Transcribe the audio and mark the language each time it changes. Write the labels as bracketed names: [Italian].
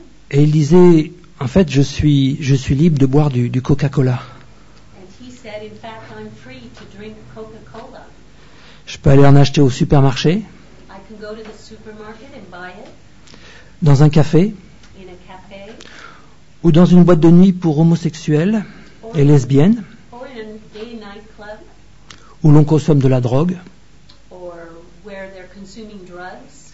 [French] Et il disait, en fait, je suis libre de boire du Coca-Cola. [English] Said, fact, Coca-Cola. [French] Je peux aller en acheter au supermarché. [English] I can go to the supermarket and buy it. [French] Dans un café. [English] In a cafe. [French] Ou dans une boîte de nuit pour homosexuels et lesbiennes. [English] Or in a gay night club. [French] Où l'on consomme de la drogue. [English] Or where they're consuming drugs.